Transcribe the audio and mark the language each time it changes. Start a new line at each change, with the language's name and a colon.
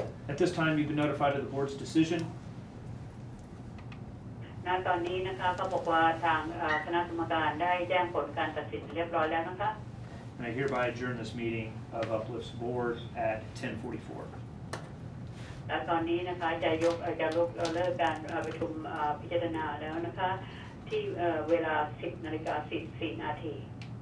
English: At this time you've been notified of the board's decision
Thai: ณตอนนี้นะคะก็บอกว่าทางคณะกรรมการได้แจ้งผลการตัดสินเรียบร้อยแล้วนะคะ
English: And I hereby adjourn this meeting of Uplift's board at 10:44
Thai: และตอนนี้นะคะจะลดเลิกการประชุมพิจารณาแล้วนะคะที่เวลา10:44